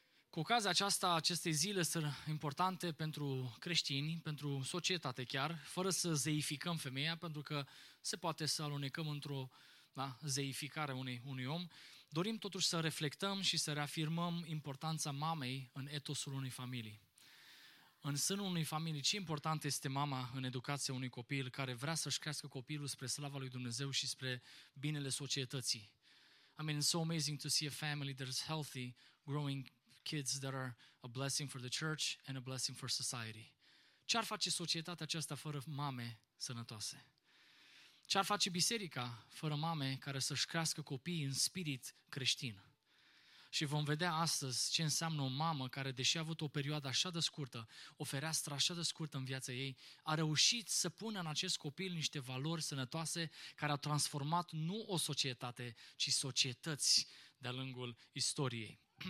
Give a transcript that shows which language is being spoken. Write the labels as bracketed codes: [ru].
[ro] Cu ocazia aceasta, aceste zile sunt importante pentru creștini, pentru societate chiar, fără să zeificăm femeia, pentru că se poate să alunecăm într-o zeificare unui om. Dorim totuși să reflectăm și să reafirmăm importanța mamei în etosul unei familii. În sânul unei familii, ce important este mama în educația unui copil care vrea să-și crească copilul spre slava lui Dumnezeu și spre binele societății. [en] I mean, it's so amazing to see a family that is healthy, growing kids that are a blessing for the church and a blessing for society. [ro] Ce-ar face societatea aceasta fără mame sănătoase? Ce-ar face biserica fără mame care să-și crească copiii în spirit creștin? Și vom vedea astăzi ce înseamnă o mamă care, deși a avut o perioadă așa de scurtă, o fereastră așa de scurtă în viața ei, a reușit să pună în acest copil niște valori sănătoase care au transformat nu o societate, ci societăți de-a lungul istoriei.